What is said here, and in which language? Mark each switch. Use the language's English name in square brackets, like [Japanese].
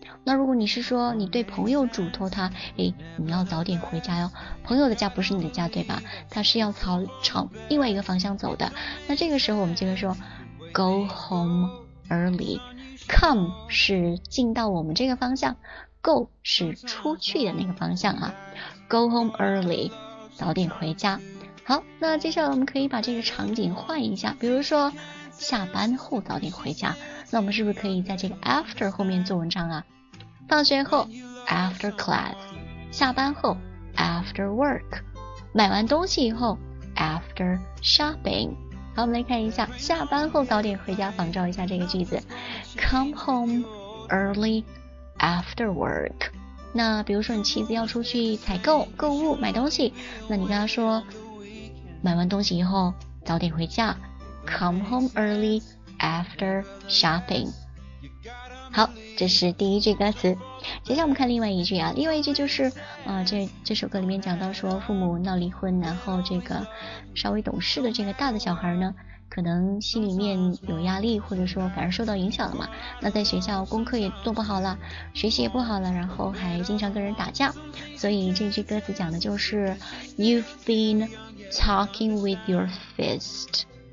[Chinese] 那如果你是说你对朋友嘱托他，哎，你要早点回家哟，朋友的家不是你的家，对吧？他是要朝另外一个方向走的，那这个时候我们就会说 [English] go home early， [Chinese] come 是进到我们这个方向， go 是出去的那个方向啊。 [English] Go home early， [Chinese] 早点回家。好，那接下来我们可以把这个场景换一下，比如说下班后早点回家，那我们是不是可以在这个 after 后面做文章啊？放学后 [English] after class， [Chinese] 下班后 [English] after work， [Chinese] 买完东西以后 [English] after shopping。 [Chinese] 好，我们来看一下下班后早点回家，仿照一下这个句子 [English] come home early after work。 [Chinese] 那比如说你妻子要出去采购购物买东西，那你跟他说买完东西以后早点回家， [English] come home early after shopping。 [Chinese] 好，这是第一句歌词。接下来我们看另外一句啊，另外一句就是这首歌里面讲到说父母闹离婚，然后这个稍微懂事的这个大的小孩呢可能心里面有压力，或者说反而受到影响了嘛，那在学校功课也做不好了，学习也不好了，然后还经常跟人打架。所以这句歌词讲的就是 [English] You've been talking with your fist。